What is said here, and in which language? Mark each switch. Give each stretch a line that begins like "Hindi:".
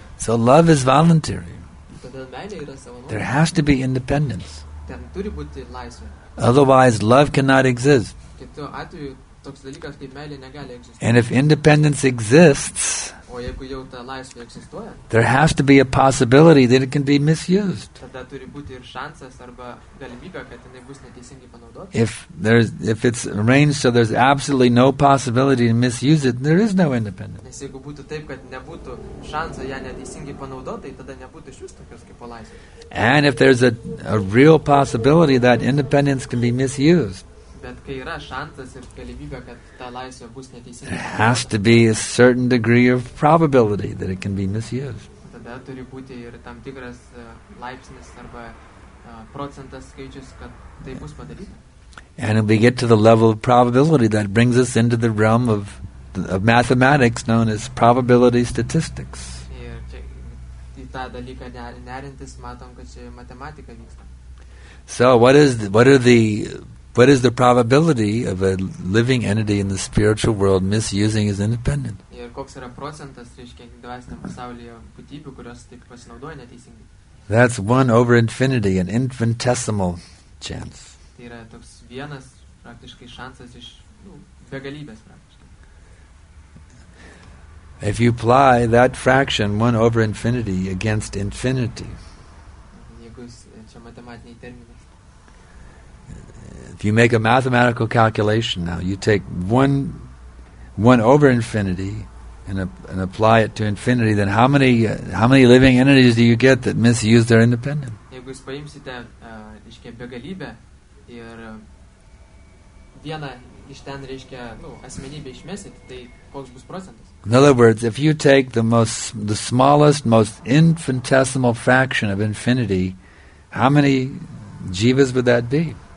English: So love is voluntary. There has to be independence.
Lithuanian: Ten turi būti laisvė.
English: Otherwise, love cannot exist.
Lithuanian: Kitu atveju, toks dalykas, kaip meilė, negali egzistuoti.
English: And if independence exists,
Lithuanian: o jeigu jau ta laisvė egzistuoja,
English: there has to be a possibility that it can be misused.
Lithuanian: Tada turi būti ir šansas arba galimybė, kad jinai bus neteisingai panaudota.
English: If it's arranged so there's absolutely no possibility to misuse it, there is no independence.
Lithuanian: Nes jeigu būtų taip, kad nebūtų šanso ją neteisingai panaudoti, tai tada nebūtų iš vis tokios kaip laisvės.
English: And if there's a real possibility that independence can be misused,
Lithuanian: bet kai yra šansas ir galimybė, kad ta laisvė bus neteisinga,
English: there has to be a certain degree of probability that it can be misused.
Lithuanian: Tada turi būti ir tam tikras laipsnis arba procentas skaičius, kad tai bus padaryta.
English: And if we get to the level of probability, that brings us into the realm of mathematics known as probability statistics.
Lithuanian: Ir čia tą dalyką nerintis, matom, kad čia matematika vyksta.
English: So what is the probability of a living entity in the spiritual world misusing his independence?
Lithuanian: Ir koks yra procentas, reiškia, dvasiniam pasaulyje būtybių, kurios taip pasinaudoja neteisingai?
English: That's one over infinity, an infinitesimal chance.
Lithuanian: Tai yra toks vienas praktiškai šansas iš begalybės praktiškai.
English: If you apply that fraction, one over infinity, against infinity.
Lithuanian: Jeigu čia matematiniai terminai.
English: If you make a mathematical calculation now, you take one over infinity and apply it to infinity, then how many living entities do you get that misuse their independence?
Lithuanian: Jeigu jūs paimsite begalybę ir vieną iš ten reiškia asmenybę išmesit, tai koks bus procentas?
English: In other words, if you take the smallest, most infinitesimal fraction of infinity, how many jivas would that be?